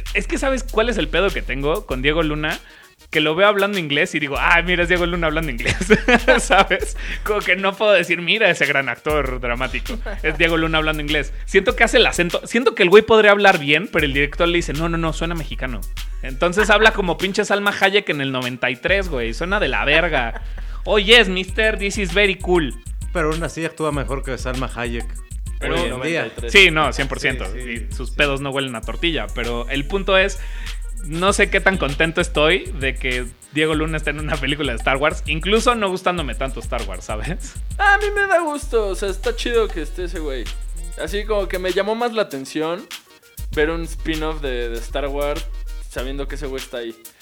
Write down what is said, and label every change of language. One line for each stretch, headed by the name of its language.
Spanish: Es que sabes cuál es el pedo que tengo con Diego Luna. Que lo veo hablando inglés y digo, ah, mira, es Diego Luna hablando inglés, ¿sabes? Como que no puedo decir, mira, ese gran actor dramático, es Diego Luna hablando inglés. Siento que hace el acento, siento que el güey podría hablar bien, pero el director le dice, no, suena mexicano. Entonces habla como pinche Salma Hayek en el 93, güey, suena de la verga.
English: Oh, yes, mister, this is very cool.
Spanish: Pero aún así actúa mejor que Salma Hayek. Pero hoy en día. Sí, no, 100%. Sí, y sus pedos no huelen a tortilla, pero el punto es... No sé qué tan contento estoy de que Diego Luna esté en una película de Star Wars, incluso no gustándome tanto Star Wars, ¿sabes? A mí me da gusto, o sea, está chido que esté ese güey. Así como que me llamó más la atención ver un spin-off de Star Wars sabiendo que ese güey está ahí.